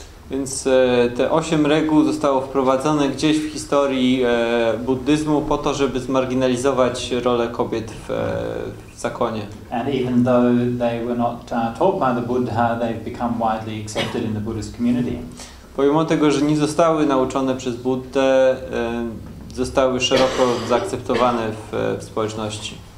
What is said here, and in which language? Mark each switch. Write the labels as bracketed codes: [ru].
[pl] Więc te 8 reguł zostało wprowadzone gdzieś w historii buddyzmu po to, żeby zmarginalizować rolę kobiet w zakonie. [en] And even though they were not taught by the Buddha, they've become widely accepted in the Buddhist community. [pl] Pomimo tego, że nie zostały nauczone przez Buddę, zostały szeroko zaakceptowane w społeczności.